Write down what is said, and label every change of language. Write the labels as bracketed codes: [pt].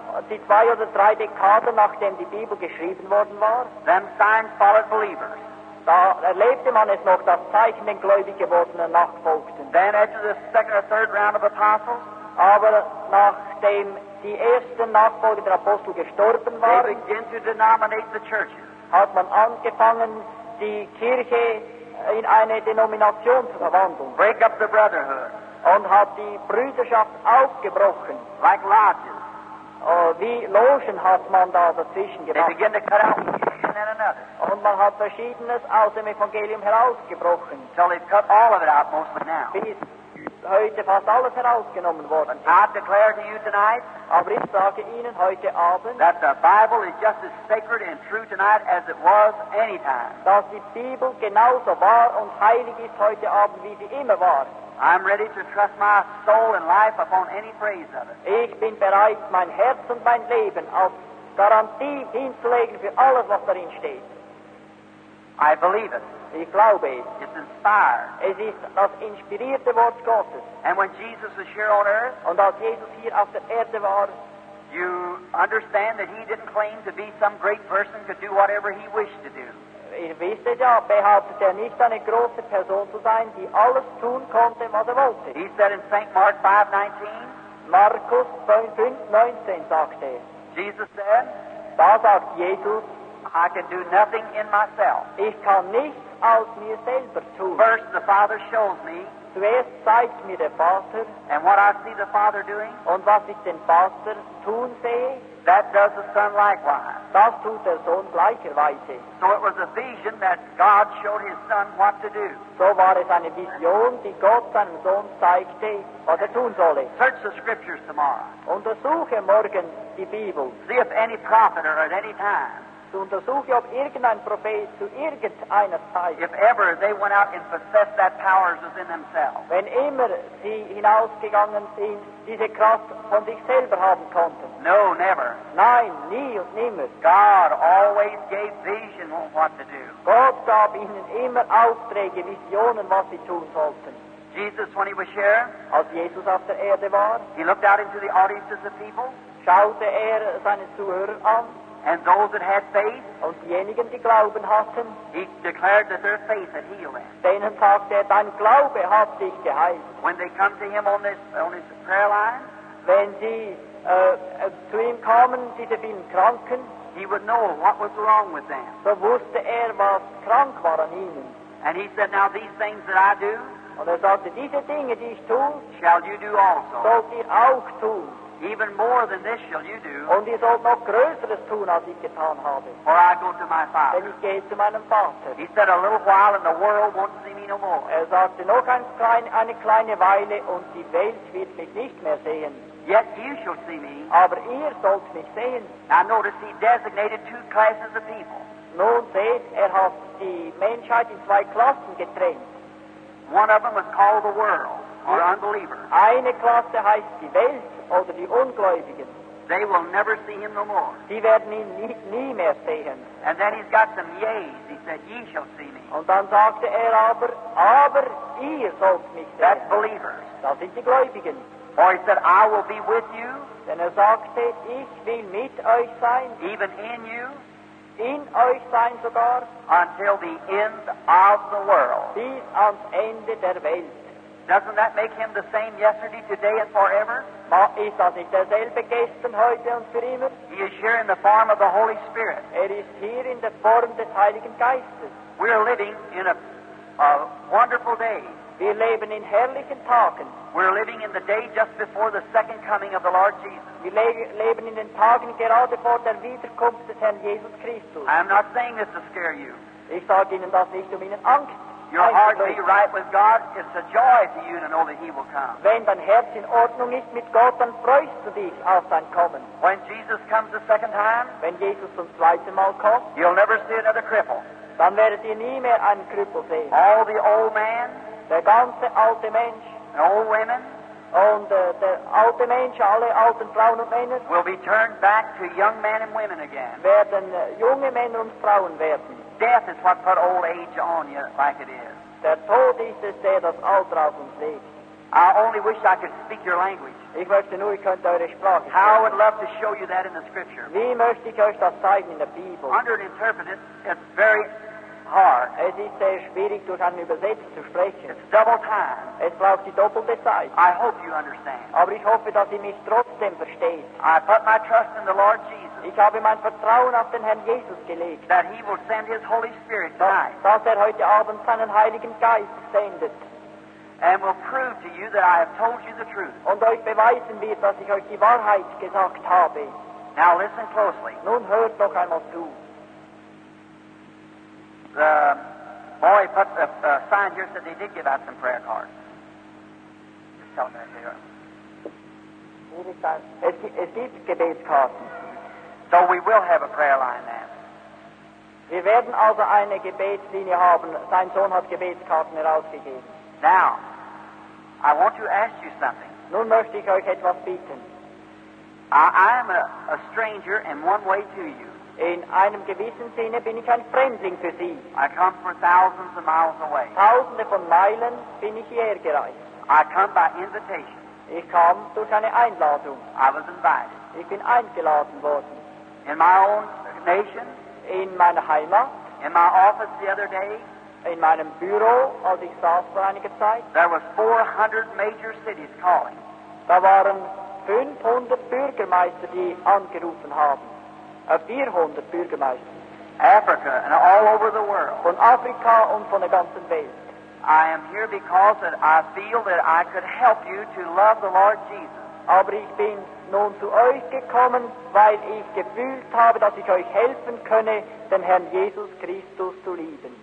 [de] die zwei oder drei Dekaden, nachdem die Bibel geschrieben worden war, [en] them signs followed believers. [de] Da erlebte man es noch, dass Zeichen den gläubig gewordenen nachfolgten. [en] Then after the second or third round of apostles, [de] aber nachdem die ersten Nachfolger der Apostel gestorben waren, [en] they begin to denominate the churches. [de] Hat man angefangen, die Kirche in eine Denomination zu verwandeln. [en] Break up the brotherhood. [de] Und hat die Brüderschaft aufgebrochen. [en] Like lodges. [de] Wie Logen hat man da dazwischen gemacht. [en] They begin to cut out one and another. [de] Und man hat Verschiedenes aus dem Evangelium herausgebrochen. [en] Until they've cut all of it out mostly now. [de] Bis heute fast alles herausgenommen worden. [en] I declare to you tonight, [de] aber ich sage Ihnen heute Abend, [en] that the Bible is just as sacred and true tonight as it was any time. [de] Dass die Bibel genauso wahr und heilig ist heute Abend, wie sie immer war. [en] I'm ready to trust my soul and life upon any phrase of it. [de] Ich bin bereit, mein Herz und mein Leben auf Garantie hinzulegen für alles, was darin steht. [en] I believe it. [de] Ich glaube es. [en] It's inspired. [de] Es ist das inspirierte Wort Gottes. [en] And when Jesus was here on earth, [de] und als Jesus hier auf der Erde war, [en] you understand that he didn't claim to be some great person, could do whatever he wished to do. [de] Ihr wisst ja, behauptet er nicht, eine große Person zu sein, die alles tun konnte, was er wollte. [en] He said in St. Mark 5:19, [de] Markus 5:19 sagte, [en] Jesus said, [de] da sagt Jesus, [en] I can do nothing in myself. [de] Ich kann nichts aus mir selber tun. [en] First the Father shows me. [de] Zuerst zeigt mir der Vater. [en] And what I see the Father doing. [de] Und was ich den Vater tun sehe. [en] That does the Son likewise. [de] Das tut der Sohn gleicherweise. [en] So it was a vision that God showed his Son what to do. [de] So war es eine Vision, die Gott seinem Sohn zeigte, was er tun solle. [en] Search the scriptures tomorrow. [de] Untersuche morgen die Bibel. [en] See if any prophet or at any time. [de] Zu untersuchen, ob irgendein Prophet zu irgendeiner Zeit, [en] if ever they went out and possessed that power within themselves, [de] wenn immer sie hinausgegangen sind, diese Kraft von sich selber haben konnten. [en] No, never. [de] Nein, nie und nimmer. [en] God always gave vision on what to do. [de] Gott gab ihnen immer Aufträge, Visionen, was sie tun sollten. [en] Jesus, when he was here, [de] als Jesus auf der Erde war, [en] he looked out into the audiences of people, [de] schaute er seine Zuhörer an. [en] And those that had faith, [de] und diejenigen, die Glauben hatten, [en] he declared that their faith had healed them. [de] Denen sagte er, dein Glaube hat dich geheilt. [en] When they come to him on his prayer line, [de] wenn sie zu ihm kamen, diese vielen Kranken, [en] he would know what was wrong with them. [de] So wusste er, was krank war an ihnen. [en] And he said, now these things that I do, [de] und er sagte, diese Dinge, die ich tue, [en] shall you do also. [de] Sollt ihr auch tun. [en] Even more than this shall you do. [de] Und ihr sollt noch Größeres tun, als ich getan habe. [en] For I go to my Father. [de] Denn ich gehe zu meinem Vater. [en] He said, a little while and the world won't see me no more. [de] Er sagte, noch eine kleine Weile und die Welt wird mich nicht mehr sehen. [en] Yet you shall see me. [de] Aber ihr sollt mich sehen. [en] Now notice, he designated two classes of people. [de] Nun seht, er hat die Menschheit in zwei Klassen getrennt. [en] One of them was called the world, or unbeliever. [de] Eine Klasse heißt die Welt. Oder die Ungläubigen. [en] They will never see him no more. [de] Die werden ihn nie mehr sehen. [en] And then he's got some yeas. He said, ye shall see me. [de] Und dann sagte er aber ihr sollt mich sehen. [en] That's believers. [de] Das sind die Gläubigen. [en] Or he said, I will be with you. [de] Denn sagte, ich will mit euch sein. [en] Even in you. [de] In euch sein sogar. [en] Until the end of the world. [de] Bis ans Ende der Welt. [en] Doesn't that make him the same yesterday, today, and forever? [de] Ist das nicht derselbe gestern, heute und für immer? [en] He is here in the form of the Holy Spirit. [de] Ist hier in der Form des Heiligen Geistes. [en] We are living in a wonderful day. [de] Wir leben in herrlichen Tagen. [en] We're living in the day just before the second coming of the Lord Jesus. [de] Wir leben in den Tagen gerade vor der Wiederkunft des Herrn Jesus Christus. [en] I am not saying this to scare you. [de] Ich sage Ihnen das nicht, um Ihnen Angst. [en] Your heart be right with God. It's a joy to you to know that He will come. [de] Wenn dein Herz in Ordnung ist mit Gott, dann freust du dich auf sein Kommen. [en] When Jesus comes the second time, [de] wenn Jesus zum zweiten Mal kommt, [en] you'll never see another cripple. [de] Dann werdet ihr nie mehr einen Krüppel sehen. [en] All the old man. [de] Der ganze alte Mensch, [en] and old women, [de] und der alte Mensch, alle alten Frauen und Männer, [en] will be turned back to young men and women again. [de] Werden junge Männer und Frauen werden. [en] Death is what put old age on you, like it is. [de] Der Tod ist es, der das Alter auf uns legt. [en] I only wish I could speak your language. [de] Ich möchte nur, ich könnte eure Sprache. [en] How I would love to show you that in the Scripture. [de] Wie möchte ich euch das zeigen in der Bibel? [en] Under an interpreter, it's very hard. [de] Es ist sehr schwierig, durch einen Übersetzer zu sprechen. [en] It's double time. [de] Es braucht die doppelte Zeit. [en] I hope you understand. [de] Aber ich hoffe, dass ihr mich trotzdem versteht. [en] I put my trust in the Lord Jesus. [de] Ich habe mein Vertrauen auf den Herrn Jesus gelegt. [en] That He will send His Holy Spirit tonight. [de] Dass er heute Abend seinen Heiligen Geist sendet. [en] And will prove to you that I have told you the truth. [de] Und euch beweisen wird, dass ich euch die Wahrheit gesagt habe. [en] Now listen closely. [de] Nun hört doch einmal zu. [en] The boy put the sign here said they did give out some prayer cards. Just tell them that they are. [de] Es gibt Gebetskarten. [en] So we will have a prayer line then. [de] Wir werden also eine Gebetslinie haben. Sein Sohn hat Gebetskarten herausgegeben. [en] Now, I want to ask you something. [de] Nun möchte ich euch etwas bieten. [en] I am a stranger in one way to you. [de] In einem gewissen Sinne bin ich ein Fremdling für Sie. [en] I come from thousands of miles away. [de] Tausende von Meilen bin ich hierher gereist. [en] I come by invitation. [de] Ich komme durch eine Einladung. [en] I was invited. [de] Ich bin eingeladen worden. [en] In my own nation. [de] In meiner Heimat. [en] In my office the other day. [de] In meinem Büro, als ich saß vor einiger Zeit. [en] There was 400 major cities calling. [de] Da waren 500 Bürgermeister, die angerufen haben. 400 Bürgermeister. [en] Africa and all over the world. [de] Von Afrika und von der ganzen Welt. [en] I am here because that I feel that I could help you to love the Lord Jesus. [de] Aber ich bin nun zu euch gekommen, weil ich gefühlt habe, dass ich euch helfen könne, den Herrn Jesus Christus zu lieben.